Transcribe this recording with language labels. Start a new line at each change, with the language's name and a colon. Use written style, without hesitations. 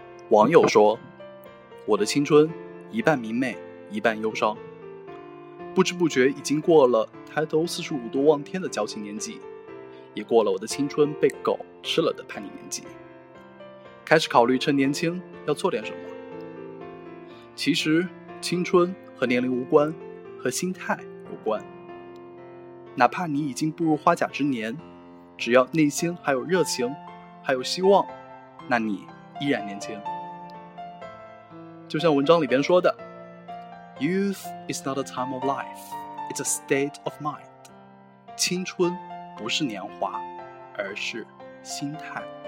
Chinese: 网友说，我的青春一半明媚一半忧伤，不知不觉已经过了抬头45度望天的矫情年纪，也过了我的青春被狗吃了的叛逆年纪，开始考虑趁年轻要做点什么。其实青春和年龄无关，和心态无关。哪怕你已经步入花甲之年，只要内心还有热情，还有希望，那你依然年轻。就像文章里边说的，
English: Youth is not a time of life, it's a state of mind.
Chinese: 青春不是年华，而是心态。